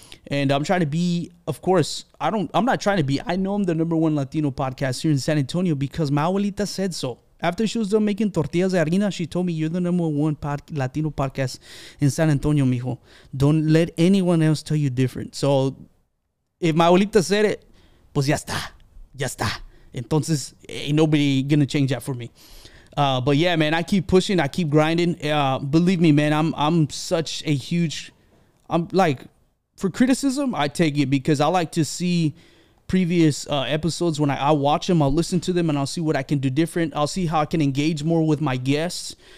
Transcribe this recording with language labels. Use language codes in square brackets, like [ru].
[en] And I'm trying to be, of course, I'm not trying to be. I know I'm the number one Latino podcast here in San Antonio because my abuelita said so. After she was done making [es] tortillas de harina, [en] she told me, you're the number one Latino podcast in San Antonio, mijo. Don't let anyone else tell you different. So if my abuelita said it, [es] pues ya está. Ya está. Entonces, [en] ain't nobody going to change that for me. But yeah, man, I keep pushing. I keep grinding. Believe me, man, I'm such a huge, I'm like, for criticism, I take it because I like to see previous episodes. When I watch them, I'll listen to them and I'll see what I can do different. I'll see how I can engage more with my guests.